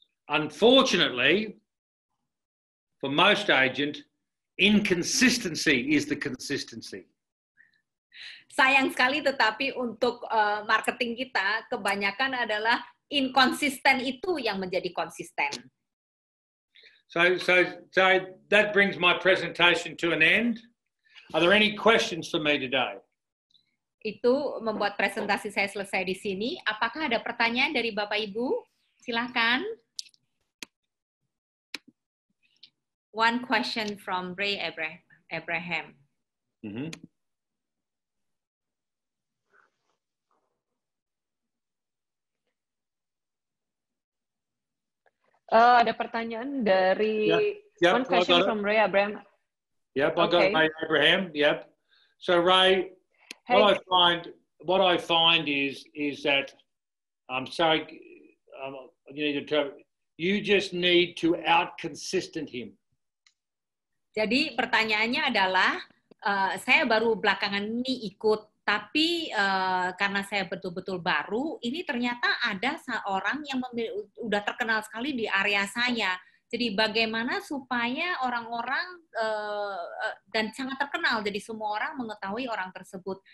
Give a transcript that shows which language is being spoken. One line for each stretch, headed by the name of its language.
English: Unfortunately, for most agents, inconsistency is the consistency.
Indonesian: Sayang sekali, tetapi untuk marketing kita kebanyakan adalah inconsistent itu yang menjadi konsisten.
English: So that brings my presentation to an end. Are there any questions for me today?
Indonesian: Itu membuat presentasi saya selesai di sini. Apakah ada pertanyaan dari Bapak Ibu? Silakan.
English: One question from Ray Abraham. Mm-hmm.
Indonesian: Ada pertanyaan dari
English: one question from Ray Abraham. Yep, I got Ray Abraham. Yep. So Ray, what I find is that I'm sorry, you need to tell, you just need to out consistent him.
Indonesian: Jadi pertanyaannya adalah saya baru belakangan ini ikut, tapi karena saya betul-betul baru, ini ternyata ada seorang yang udah terkenal sekali di area saya. Jadi bagaimana supaya orang-orang dan sangat terkenal, jadi semua orang mengetahui orang tersebut.